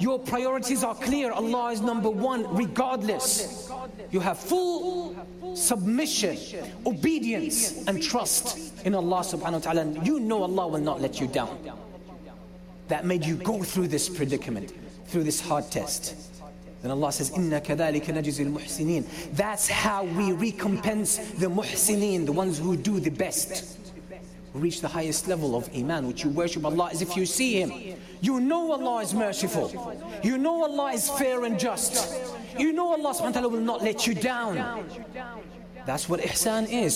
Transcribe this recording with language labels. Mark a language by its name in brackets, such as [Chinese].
[English] Your priorities are clear. Allah is number one, regardless. You have full submission, obedience, and trust in Allah subhanahu wa ta'ala. You know Allah will not let you down. That made you go through this predicament, through this hard test. Then Allah says, [Arabic] إِنَّا كَذَلِكَ نَجِزِي الْمُحْسِنِينَ. [English] That's how we recompense the muhsineen, the ones who do the best. Reach the highest level of Iman, which you worship Allah as if you see Him. You know Allah is merciful. You know Allah is fair and just. You know Allah subhanahu wa ta'ala will not let you down. That's what Ihsan is.